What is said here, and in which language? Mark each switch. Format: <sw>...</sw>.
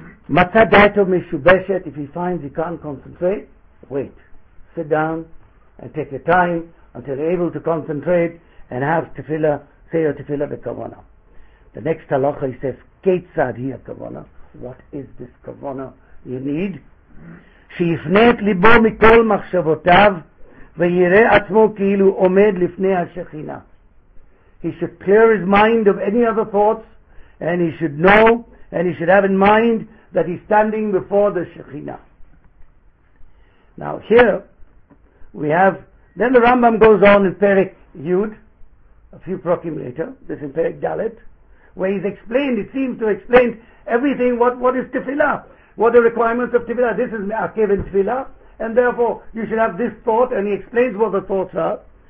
<en>Matzah da'ato mishubeshet, if he finds he can't concentrate, wait. Sit down and take your time until you're able to concentrate and have tefillah, say your tefillah b'kavana. The next halacha, he says, Ketzad hi ha-kavana. What is this kavana you need,</en> <he>שיפנה את ליבו מכל מחשבותיו, ויראה עצמו כאילו עומד לפני השכינה.</he> <en>He should clear his mind of any other thoughts, and he should know, and he should have in mind, that he's standing before the Shekhinah. Now here, we have, then the Rambam goes on in Perek Yud, a few prokim later, this in Perek Dalet, where he's explained, it seems to explain everything, what is Tefillah, what the requirements of Tefillah, this is Me'akev in Tefillah, and therefore you should have this thought, and he explains what the thoughts are.</en>